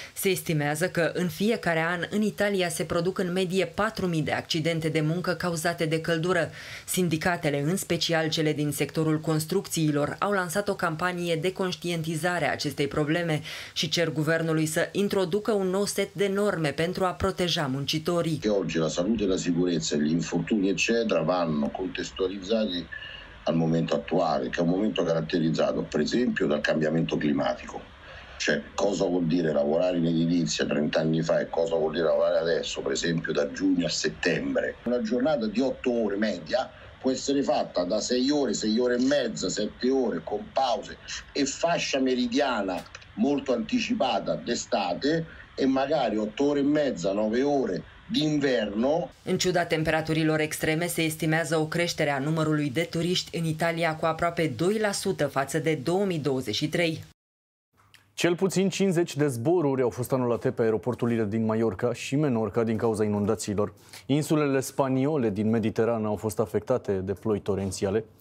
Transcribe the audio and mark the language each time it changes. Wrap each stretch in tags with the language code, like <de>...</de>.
<ro>Se estimează că în fiecare an în Italia se produc în medie 4.000 de accidente de muncă cauzate de căldură. Sindicatele, în special cele din sectorul construcțiilor, au lansat o campanie de conștientizare a acestei probleme și cer guvernului să introducă un nou set de norme pentru a proteja muncitorii.</ro> <it>Că oggi la salute, la sicurezza, gli infortuni eccetera vanno contestualizzati al momento attuale, che è un momento caratterizzato per esempio dal cambiamento climatico. Cioè, cosa vuol dire lavorare in edilizia 30 anni fa e cosa vuol dire lavorare adesso, per esempio da giugno a settembre? Una giornata di 8 ore media può essere fatta da 6 ore e mezza, 7 ore con pause e fascia meridiana molto anticipata d'estate e magari 8 ore e mezza, 9 ore d'inverno.</it> <ro>În ciuda temperaturilor extreme, se estimează o creștere a numărului de turiști în Italia cu aproape 2% față de 2023. Cel puțin 50 de zboruri au fost anulate pe aeroporturile din Mallorca și Menorca din cauza inundațiilor. Insulele spaniole din Mediterană au fost afectate de ploi torențiale.</ro>